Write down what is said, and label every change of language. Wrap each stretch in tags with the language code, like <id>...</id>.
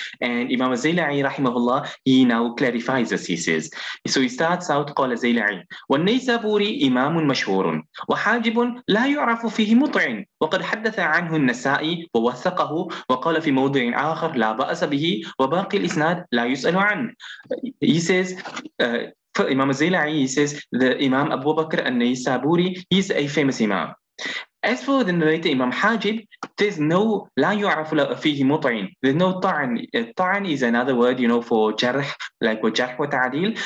<en>And Imam Zayla'i rahimahullah, he now clarifies as he says. So he starts out,</en> <ar>qala Zayla'i, وَالنَّيْسَابُورِ إِمَامٌ مَشْهُورٌ وَحَاجِبٌ لَا يُعْرَفُ فِيهِ مُطْعِنٌ وَقَدْ حَدَّثَ عَنْهُ النَّسَائِي وَوَثَّقَهُ وَقَالَ فِي مَوْضِعٍ آخَرٍ لَا بَأْسَ بِهِ وَبَاقِي الْإِسْنَادِ لَا يُسْأَلُ عَنْهُ.</ar> <en>He says, Imam Zayla'i, he says, the Imam Abu Bakr al-Naysaburi, he's a famous Imam. As for the narrator Imam Hajib, there's no la yu'arafu fihi mut'in. There's no ta'an. Ta'an is another word, you know, for jarh, like with jarh wa ta'adil.</en>